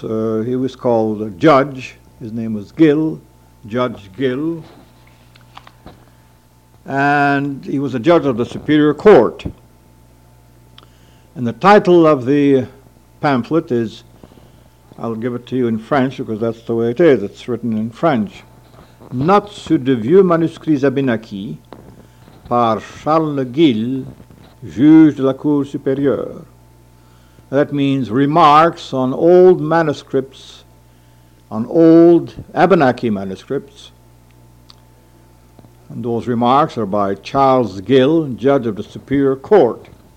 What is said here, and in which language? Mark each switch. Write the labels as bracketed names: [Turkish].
[English] He was called a judge. His name was Gill, Judge Gill. And he was a judge of the Superior Court. And the title of the pamphlet is, I'll give it to you in French because that's the way it is, it's written in French. [French] Notes sur de vieux manuscrits Abenaki par Charles Gill, juge de la Cour supérieure. [English] That means remarks on old manuscripts, on old Abenaki manuscripts. And those remarks are by Charles Gill, judge of the Superior Court.